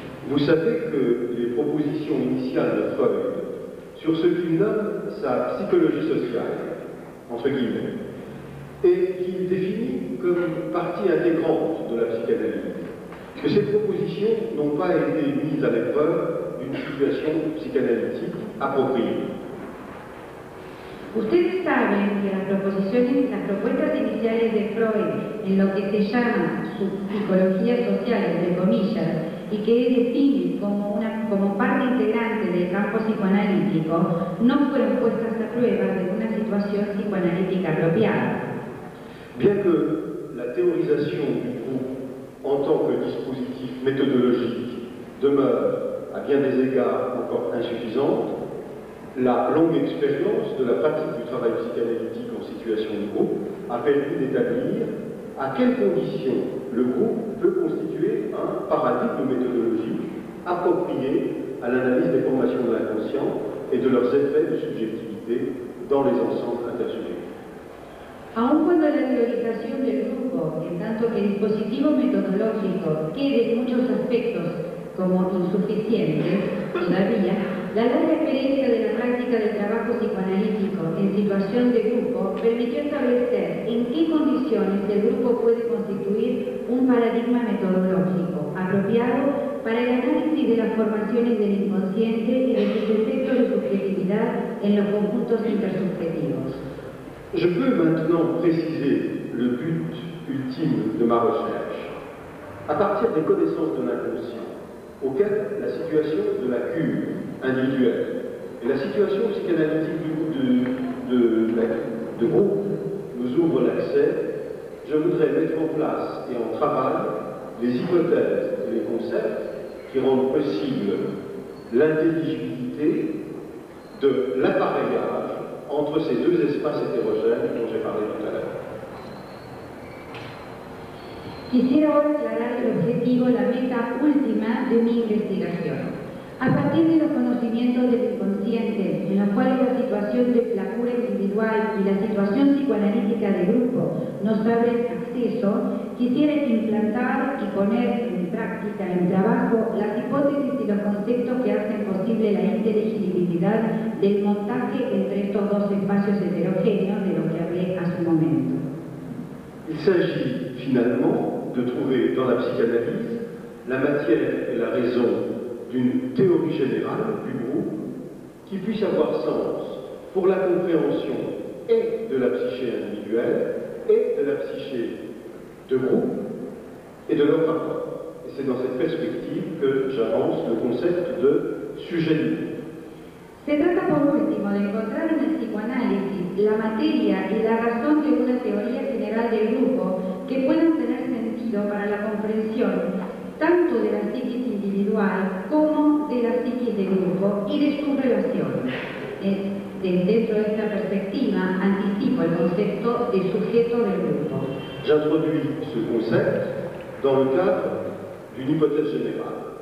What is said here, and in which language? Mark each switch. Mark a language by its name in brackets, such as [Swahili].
[French] Vous savez que les propositions initiales de Freud sur ce qu'il nomme sa psychologie sociale, entre guillemets, et qu'il définit comme partie intégrante de la psychanalyse, que ces propositions n'ont pas été mises à l'épreuve d'une situation psychanalytique appropriée. [Spanish] Ustedes saben que las proposiciones, las propuestas iniciales de Freud en lo que se llama su psicología social, entre comillas, y que él define como parte integrante del campo psicoanalítico, no fueron puestas a prueba de una situación psicoanalítica apropiada. [French] Bien que la théorisation du groupe en tant que dispositif méthodologique demeure à bien des égards encore insuffisante, la longue expérience de la pratique du travail psychanalytique en situation de groupe a permis d'établir à quelles conditions le groupe peut constituer un paradigme méthodologique approprié à l'analyse des formations de l'inconscient et de leurs effets de subjectivité dans les ensembles intersubjectifs. [Spanish] Aun cuando la teorización del grupo, en tanto que dispositivo metodológico, quede en muchos aspectos como insuficiente todavía, la larga experiencia de la práctica del trabajo psicoanalítico en situación de grupo permitió establecer en qué condiciones el grupo puede constituir un paradigma metodológico apropiado para el análisis de las formaciones del inconsciente y de sus efectos de subjetividad en los conjuntos intersubjetivos. [French] Je peux maintenant préciser le but ultime de ma recherche. À partir des connaissances de l'inconscient, auxquelles la situation de la cure individuelle et la situation psychanalytique de groupe nous ouvrent l'accès, je voudrais mettre en place et en travail les hypothèses et les concepts qui rendent possible l'intelligibilité de l'appareillage entre ces deux espaces hétérogènes dont j'ai parlé tout à l'heure. [Spanish] Quisiera ahora aclarar el objetivo, la meta última de mi investigación. A partir de los conocimientos del inconsciente, en los cuales la situación de la cura individual y la situación psicoanalítica de grupo nos abren acceso, quisiera implantar y poner en práctica, en trabajo, las hipótesis y los conceptos que hacen posible la inteligibilidad del montaje entre estos dos espacios heterogéneos de los que hablé hace un momento. [French] Il s'agit finalement de trouver dans la psychanalyse la matière et la raison d'une théorie générale du groupe qui puisse avoir sens pour la compréhension et de la psyché individuelle et de la psyché de groupe et de leur rapport. Et c'est dans cette perspective que j'avance le concept de sujet libre. [Spanish] Se trata por último de encontrar en el psicoanálisis la materia y la razón de una teoría general del grupo que puedan tener sentido para la comprensión tanto de la psiquis individual como de la psiquis del grupo y de su relación. Dentro de esta perspectiva, anticipo el concepto de sujeto del grupo. [French] J'introduis ce concept dans le cadre d'une hypothèse générale.